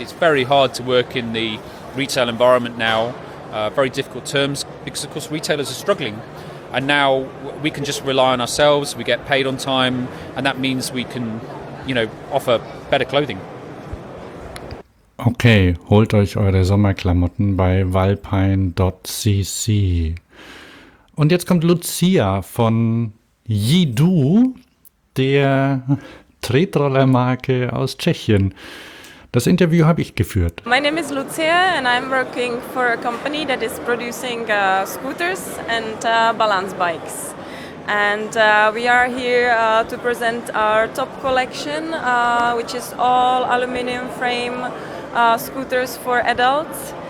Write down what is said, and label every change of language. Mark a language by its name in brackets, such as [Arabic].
[English] It's very hard to work in the retail environment now, very difficult terms, because of course retailers are struggling. And now we can just rely on ourselves, we get paid on time, and that means we can, you know, offer better clothing. [German] Okay, holt euch eure Sommerklamotten bei walpine.cc. Und jetzt kommt Lucia von Jidu, der Tretrollermarke aus Tschechien. Das Interview habe ich geführt. [English] My name is Lucia and I'm working for a company that is producing scooters and balance bikes. And we are here to present our top collection, which is all aluminium frame scooters for adults.